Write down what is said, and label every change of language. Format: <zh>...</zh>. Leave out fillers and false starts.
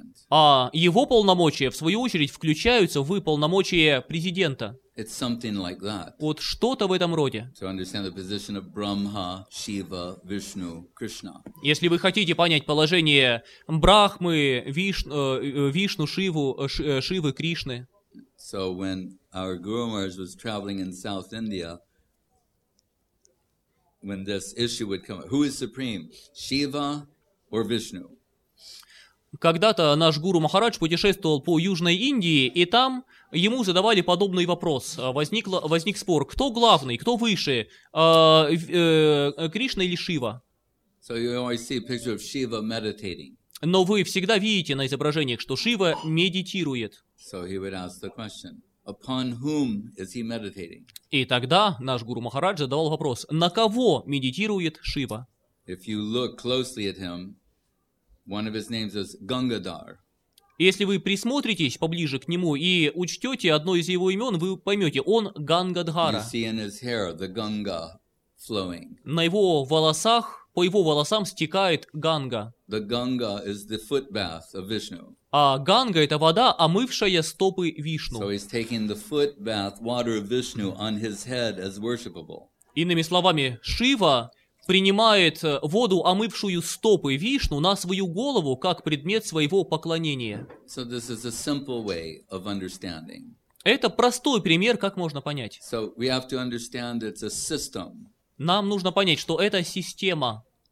<ru>А его полномочия, в свою очередь, включаются в полномочия президента.</ru> <en>Like</en> <ru>вот что-то в этом роде.</ru> <en>Brahma, Shiva, Vishnu,</en> <ru>если вы хотите понять положение Брахмы, Вишну, Шиву, Шивы, Кришны.</ru> <en>So when our Guru Maharaj was traveling in South India, when this issue would come up, who is supreme, Shiva or Vishnu?</en> <ru>Когда-то наш гуру Махарадж путешествовал по Южной Индии, и там ему задавали подобный вопрос. Возник спор, кто главный, кто выше, Кришна или Шива?</ru> <en>So you always see a picture of Shiva meditating.</en> <ru>Но вы всегда видите на изображениях, что Шива медитирует.</ru> <en>So he would ask the question. Upon whom is he meditating?</en> <ru>И тогда наш гуру Махарадж задавал вопрос, на кого медитирует Шива?</ru> <en>If you look closely at him, one of his names is Gangadhar.</en> <ru>Если вы присмотритесь поближе к нему и учтете одно из его имен, вы поймете, он Гангадхара.</ru> <en>You see in his hair the Ganga flowing.</en> <ru>На его волосах, по его волосам стекает Ганга.</ru> <en>The Ganga is the foot bath of Vishnu.</en> <ru>А Ганга — это вода, омывшая стопы Вишну.</ru> <en>So he's taking the foot bath water of Vishnu on his head as worshipable.</en> <ru>Иными словами, Шива принимает воду, омывшую стопы Вишну, на свою голову, как предмет своего поклонения.</ru> <en>So this is a simple way of understanding.</en> <ru>Это простой пример, как можно понять.</ru> <en>So we have to understand it's a system.</en> <ru>Нам нужно понять, что это система.</ru>